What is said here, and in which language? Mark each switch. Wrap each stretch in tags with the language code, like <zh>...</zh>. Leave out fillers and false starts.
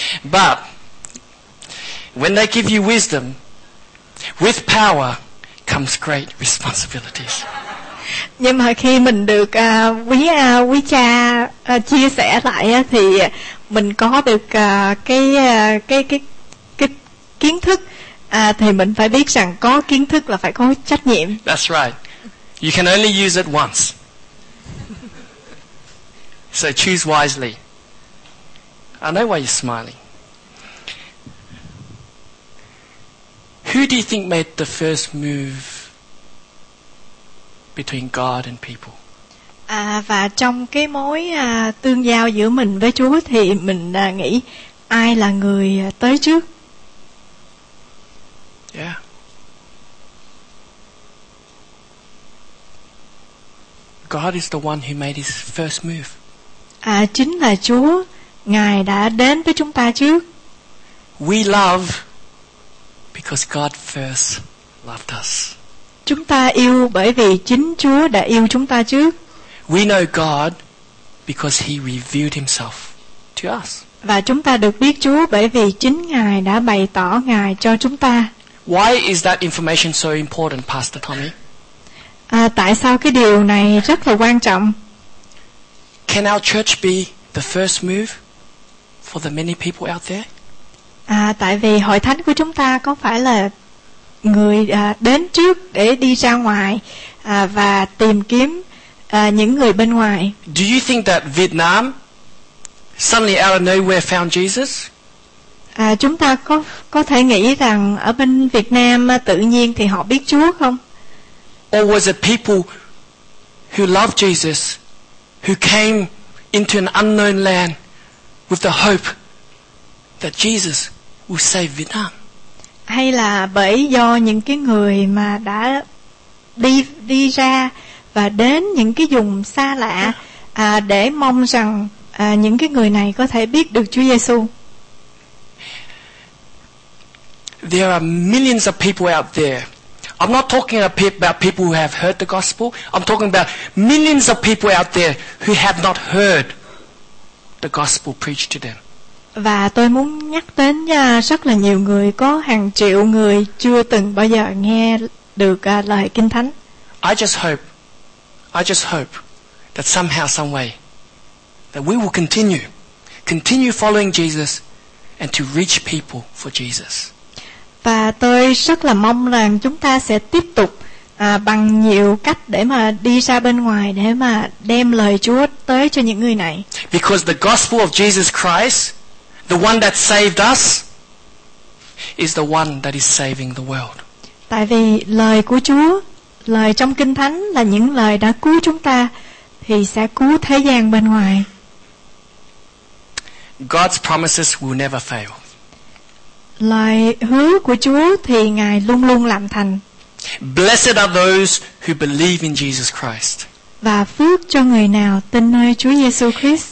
<en>But when they give you wisdom, with power comes great responsibilities.</en> <vi>Nhưng mà khi mình được quý cha chia sẻ lại á, thì mình có được cái kiến thức thì mình phải biết rằng có kiến thức là phải có trách nhiệm.</vi> <en>That's right. You can only use it once. So choose wisely. I know why you're smiling. Who do you think made the first move between God and people?</en> <vi>Và trong cái mối tương giao giữa mình với Chúa thì mình nghĩ ai là người tới trước?</vi> <en>Yeah. God is the one who made his first move.</en> <vi>Chính là Chúa, Ngài đã đến với chúng ta trước.</vi> <en>We love because God first loved us.</en> <vi>Chúng ta yêu bởi vì chính Chúa đã yêu chúng ta trước.</vi> <en>We know God because he revealed himself to us.</en> <vi>Và chúng ta được biết Chúa bởi vì chính Ngài đã bày tỏ Ngài cho chúng ta.</vi> <en>Why is that information so important, Pastor Tommy?</en> <vi>Tại sao cái điều này rất là quan trọng?</vi> <en>Can our church be the first move for the many people out there?</en> <vi>À, tại vì hội thánh của chúng ta có phải là người đến trước để đi ra ngoài và tìm kiếm những người bên ngoài.</vi> <en>Do you think that Vietnam suddenly out of nowhere found Jesus?</en> <vi>À, chúng ta có thể nghĩ rằng ở bên Việt Nam tự nhiên thì họ biết Chúa không?</vi> <en>Or was it people who loved Jesus who came into an unknown land with the hope that Jesus will save Vietnam?</en> <vi>Hay là bởi do những cái người mà đã đi ra và đến những cái vùng xa lạ để mong rằng những cái người này có thể biết được Chúa Giêsu.</vi> <en>There are millions of people out there. I'm not talking about people who have heard the gospel. I'm talking about millions of people out there who have not heard the gospel preached to them.</en> <vi>Và tôi muốn nhắc đến rất là nhiều người, có hàng triệu người chưa từng bao giờ nghe được lời Kinh Thánh.</vi> <en>I just hope that somehow, some way, that we will continue following Jesus and to reach people for Jesus.</en> <vi>Và tôi rất là mong rằng chúng ta sẽ tiếp tục bằng nhiều cách để mà đi ra bên ngoài để mà đem lời Chúa tới cho những người này.</vi> <en>Because the gospel of Jesus Christ, the one that saved us, is the one that is saving the world.</en> <vi>Tại vì lời của Chúa, lời trong Kinh Thánh là những lời đã cứu chúng ta thì sẽ cứu thế gian bên ngoài.</vi> <en>God's promises will never fail.</en> <vi>Lời hứa của Chúa thì Ngài luôn luôn làm thành.</vi> <en>Blessed are those who believe in Jesus Christ.</en> <vi>Và phước cho người nào tin nơi Chúa Giêsu Christ.</vi>